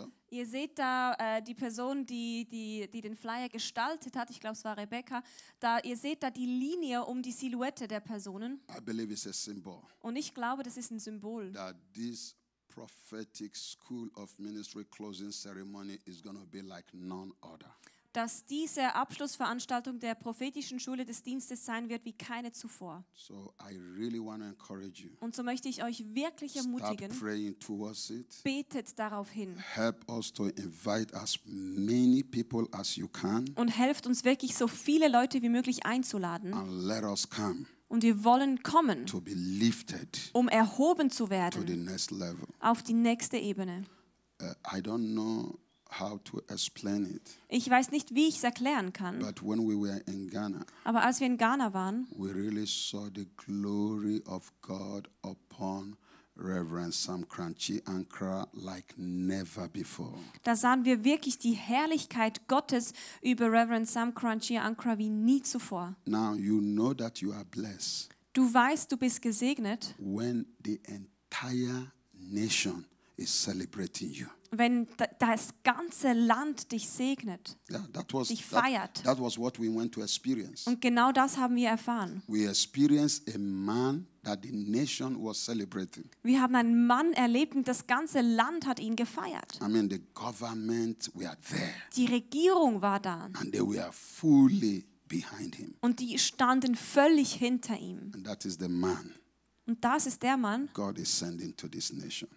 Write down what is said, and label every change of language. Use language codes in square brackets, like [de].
[de] Ihr seht da die Person, die den Flyer gestaltet hat. Ich glaube, es war Rebecca. Da ihr seht da die Linie um die Silhouette der Personen. [en] I believe it's a symbol. [de] Und ich glaube, das ist ein Symbol. [en] That this prophetic school of ministry closing ceremony is going to be like none other. [de] Dass diese Abschlussveranstaltung der prophetischen Schule des Dienstes sein wird wie keine zuvor. [en] So I really want to encourage you. [de] Und so möchte ich euch wirklich ermutigen. [en] Start praying towards it. [de] Betet darauf hin. [en] Help us to invite as many people as you can. [de] Und helft uns wirklich so viele Leute wie möglich einzuladen. [en] And let us come. [de] Und wir wollen kommen. [en] To be lifted. [de] Um erhoben zu werden. [en] To the next level. [de] Auf die nächste Ebene. [en] I don't know how to explain it. [de] Ich weiß nicht, wie ich es erklären kann. [en] But when we were in Ghana, [de] aber als wir in Ghana waren, [en] we really saw the glory of God upon Reverend Sam Krangchi Ankara like never before. [de] Da sahen wir wirklich die Herrlichkeit Gottes über Reverend Sam Krangchi Ankara wie nie zuvor. [en] Now you know that you are blessed. [de] Du weißt, du bist gesegnet. [en] When the entire nation is celebrating you. [de] Wenn das ganze Land dich segnet, dich feiert. [en] That was what we went to experience. [de] Und genau das haben wir erfahren. [en] We experienced a man that the nation was celebrating. [de] Wir haben einen Mann erlebt und das ganze Land hat ihn gefeiert. [en] I mean, the government were there. [de] Die Regierung war da. [en] And they were fully behind him. [de] Und die standen völlig hinter ihm. [en] And that is the man. [de] Und das ist der Mann, [en] God is sending to this nation.